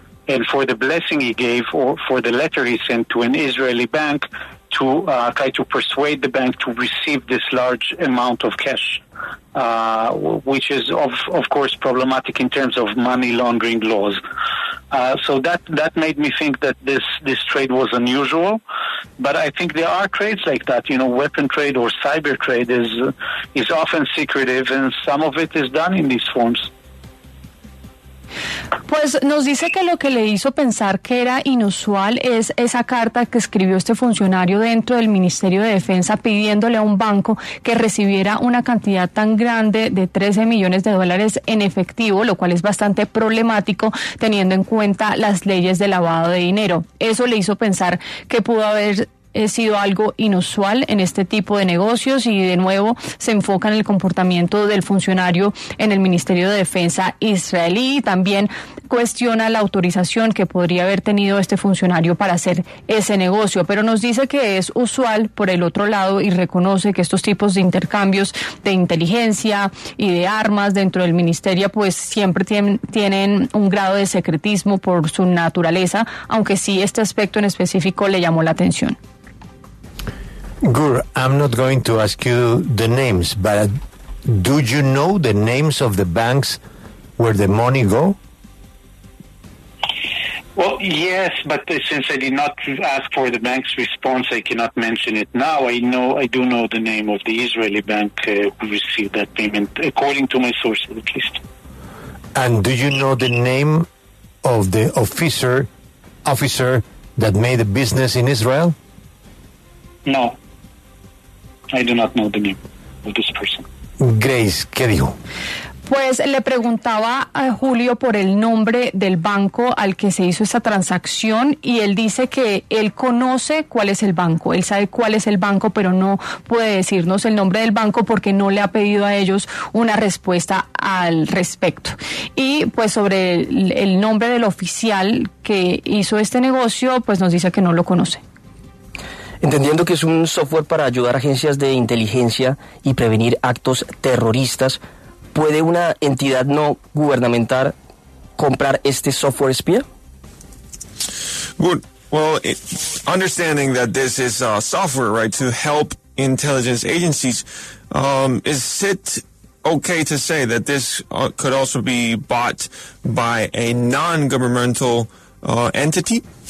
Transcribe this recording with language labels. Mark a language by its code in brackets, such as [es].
[en] And for the blessing he gave, or for the letter he sent to an Israeli bank to try to persuade the bank to receive this large amount of cash, which is, of course, problematic in terms of money laundering laws. So that made me think that this trade was unusual. But I think there are trades like that. You know, weapon trade or cyber trade is often secretive, and some of it is done in these forms. [es] Pues nos dice que lo que le hizo pensar que era inusual es esa carta que escribió este funcionario dentro del Ministerio de Defensa pidiéndole a un banco que recibiera una cantidad tan grande de $13 millones en efectivo, lo cual es bastante problemático teniendo en cuenta las leyes de lavado de dinero. Eso le hizo pensar que pudo haber sido algo inusual en este tipo de negocios, y de nuevo se enfoca en el comportamiento del funcionario en el Ministerio de Defensa israelí, y también cuestiona la autorización que podría haber tenido este funcionario para hacer ese negocio, pero nos dice que es usual por el otro lado y reconoce que estos tipos de intercambios de inteligencia y de armas dentro del ministerio pues siempre tienen un grado de secretismo por su naturaleza, aunque sí este aspecto en específico le llamó la atención. [en] Gur, I'm not going to ask you the names, but do you know the names of the banks where the money go? Well, yes, but since I did not ask for the bank's response, I cannot mention it now. I do know the name of the Israeli bank who received that payment, according to my sources, at least. And do you know the name of the officer that made a business in Israel? No. I do not know the name of this person. [es] Grace, ¿qué dijo? Pues le preguntaba a Julio por el nombre del banco al que se hizo esa transacción, y él dice que él conoce cuál es el banco, él sabe cuál es el banco, pero no puede decirnos el nombre del banco porque no le ha pedido a ellos una respuesta al respecto. Y pues sobre el nombre del oficial que hizo este negocio, pues nos dice que no lo conoce. Entendiendo que es un software para ayudar a agencias de inteligencia y prevenir actos terroristas, ¿puede una entidad no gubernamental comprar este software espía? [en] Good. Well, understanding that this is software, right, to help intelligence agencies, is it okay to say that this could also be bought by a non-governmental entity?